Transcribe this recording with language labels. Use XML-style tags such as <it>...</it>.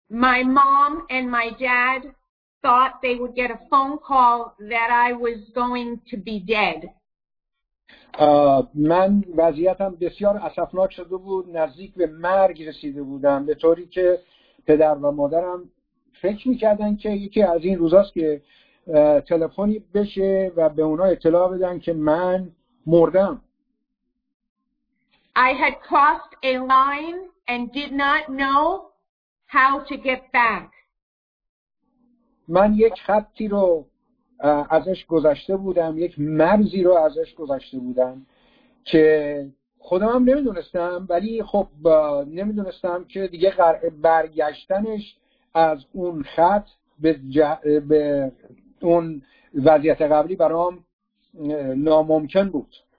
<en>My mom and my dad thought they would get a phone call that I was going to be dead.</en> <fa>من وضعیتم بسیار اسفناک شده بود، نزدیک به مرگ رسیده بودم، به طوری که پدر و مادرم فکر می‌کردن که یکی از این روزاست که تلفنی بشه و به اونا اطلاع بدن که من مردم.</fa> <en>I had crossed a line and did not know how to get back.</en> <fa>من یک خطی رو ازش گذشته بودم، یک مرزی رو ازش گذشته بودم که خودم هم نمیدونستم، ولی خب نمیدونستم که دیگه برگشتنش از اون خط به اون وضعیت قبلی برام ناممکن بود.</fa>